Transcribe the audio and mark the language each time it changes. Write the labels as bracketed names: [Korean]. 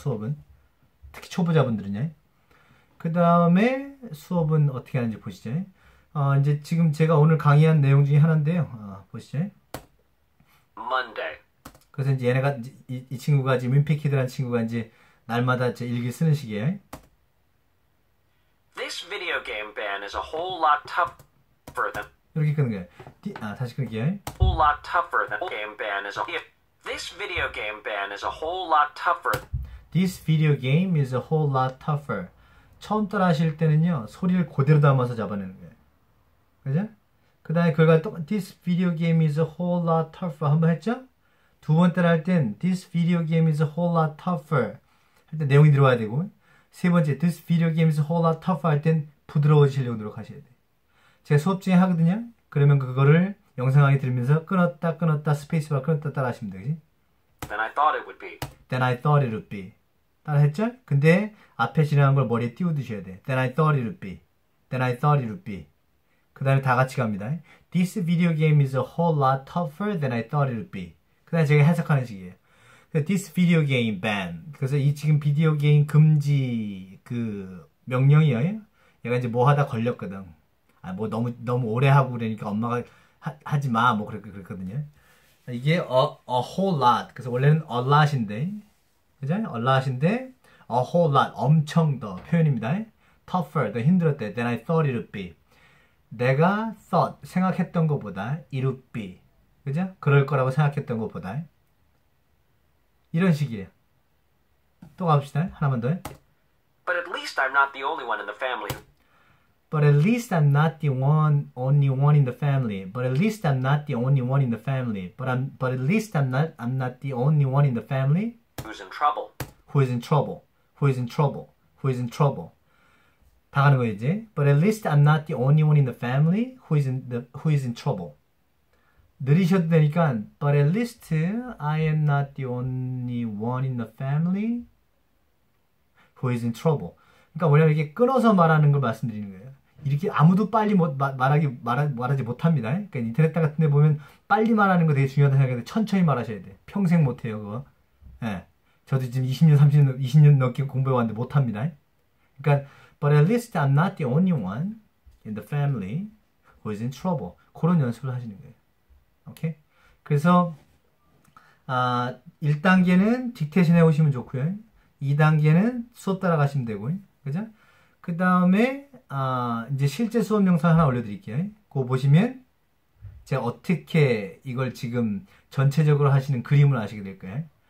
[Korean] 수업은 특히 초보자분들은요. 그 다음에 수업은 어떻게 하는지 보시죠. 이제 지금 제가 오늘 강의한 내용 중에 하나인데요. 보시죠. [English] Monday. [Korean] 그래서 이제 얘네가, 이 친구가 지금 윈피키드라는 친구가 이제 날마다 제 일기 쓰는 식이에요. [English] This video game ban is a whole lot tougher than. [Korean] 이렇게 끊는 거예요. 다시 끊기에요. [English] Whole lot tougher than. Game ban is a. If this video game ban is a whole lot tougher. This video game is a whole lot tougher. [Korean] 처음 따라 하실 때는요, 소리를 그대로 담아서 잡아내는 거예요. 그죠? 그 다음에 그걸 또, [English] This video game is a whole lot tougher. [Korean] 한번 했죠? 두 번째로 할 땐, [English] This video game is a whole lot tougher. [Korean] 할때 내용이 들어와야 되고, 세 번째, This video game is a whole lot tougher. 할땐 부드러워지시려고 노력하셔야 돼. 제가 수업 중에 하거든요? 그러면 그거를 영상 강의 들으면서 끊었다, 끊었다, 스페이스바 끊었다 따라 하시면 되지? [English] Then I thought it would be. Then I thought it would be. [Korean] 따라 했죠? 근데 앞에 지나간 걸 머리에 띄워두셔야 돼. [English] Then I thought it would be. Then I thought it would be. [Korean] 그 다음에 다 같이 갑니다. [English] This video game is a whole lot tougher than I thought it would be. [Korean] 그 다음에 제가 해석하는 식이에요. [English] This video game ban. [Korean] 그래서 이 지금 비디오 게임 금지 그 명령이에요. 얘가 이제 뭐 하다 걸렸거든. 뭐 너무 오래 하고 그러니까 엄마가 하지 마. 뭐 그렇게 그랬거든요. 이게 [English] a whole lot. [Korean] 그래서 원래는 a lot인데. 그죠? a lot인데. [English] a whole lot. [Korean] 엄청 더. 표현입니다. [English] tougher. [Korean] 더 힘들었대. [English] than I thought it would be. 내가 thought, [Korean] 생각했던 것보다, [English] it would be. 그죠? [Korean] 그럴 거라고 생각했던 것보다. 이런 식이에요. 또 갑시다. 하나만 더. [English] But at least I'm not the only one in the family. But at least I'm not the one, only one in the family. But at least I'm not the only one in the family. But at least I'm not the only one in the family. Who's in trouble? Who is in trouble? Who is in trouble? Who is in trouble? [Korean] 다 가는 거 이제. [English] But at least I'm not the only one in the family who is in trouble. [Korean] 느리셔도 되니까 [English] But at least I am not the only one in the family who is in trouble. [Korean] 그러니까 뭐냐면 이렇게 끊어서 말하는 걸 말씀드리는 거예요. 이렇게 아무도 빨리 말하지 못합니다. 그러니까 인터넷 같은 데 보면 빨리 말하는 거 되게 중요하다고 생각해서 천천히 말하셔야 돼. 평생 못해요, 그거. 예. 저도 지금 20년, 30년, 20년 넘게 공부해왔는데 못합니다. 그러니까 [English] But at least I'm not the only one in the family who is in trouble. [Korean] 그런 연습을 하시는 거예요. 오케이? 그래서 1단계는 딕테이션 해오시면 좋고요. 2단계는 수업 따라가시면 되고요. 그죠? 그 다음에 이제 실제 수업 영상 하나 올려드릴게요. 그거 보시면 제가 어떻게 이걸 지금 전체적으로 하시는 그림을 아시게 될 거예요.